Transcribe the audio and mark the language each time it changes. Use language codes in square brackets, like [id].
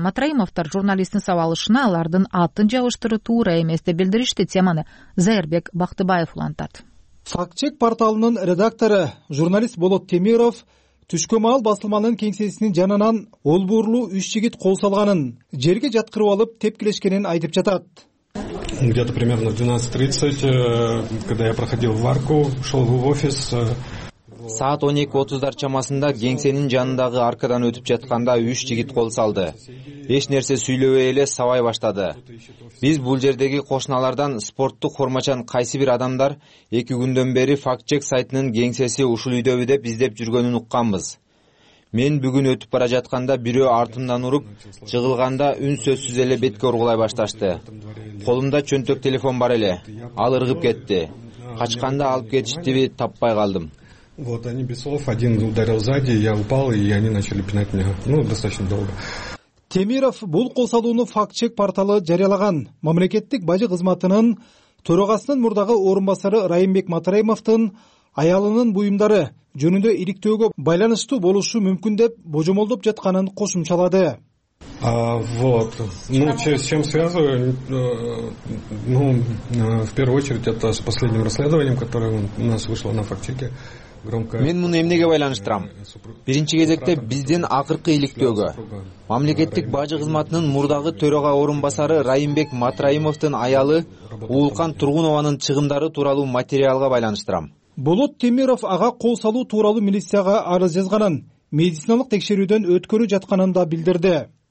[ky] Матраимовдор журналисттин алышына алардын атын жабыштыруу туура эмес деп билдиришти. Теманы Зайырбек Бактыбаев улантат. Фактчек порталынын редактору журналист Болот Темиров түшкө маал басылманын кеңсесинин жанынан олбурлуу 3 жигит кол салганын, жерге жаткырып алып тепкилешкенин айтып жатат. [ru] Где-то примерно в 12:30, когда я проходил варку, шел в офис. [ky] Саат 12:30 чамасында кеңсенин жанындагы аркадан өтүп жатканда 3 жигит кол салды. Эч нерсе сүйлөбөй эле сабай баштады. Биз бул жердеги кошуналардан спорттук формачан кайсы бир адамдар 2 күндөн бери фактчек сайтынын кеңсеси ушул үйдөбү деп издеп жүргөнүн укканбыз. Мен бүгүн өтүп бара жатканда бирөө артымдан уруп, жыгылганда үнсөзсүз эле бетке ургулай башташты. Колумда чөнтөк телефон бар эле. Ал ыргып кетти. Качканда алып кетиштиби, таппай калдым. [ru] Вот они без слов, один ударил сзади, я упал, и они начали пинать меня. Ну, достаточно долго. [ky] Темиров бул кол салууну фактчек порталы жарыялаган. Мамлекеттик бажы кызматынын төрагасынын мурдагы орун басары Райымбек Матраимовдун аялынын буюмдары жөнүндө иликтөөгө байланыштуу болушу мүмкүн деп божомолдоп жатканын кошумчалады. [ru] Вот. Ну, с чем связываю? Ну, в первую очередь это с последним расследованием, которое у нас вышло на фактчеке. [ky] Мен муну эмнеге байланыштырам? Биринчи кезекте биздин акыркы иликтөөгө. Мамлекеттик бажы кызматынын мурдагы төрага орун басары Райымбек Матраимовдун аялы Уулкан Тургунованын чыгымдары тууралуу материалга байланыштырам. Болот Темиров ага кол салуу тууралуу милицияга арыз жазганын, медициналык текшерүүдөн өткөрүп жатканын да билдирди.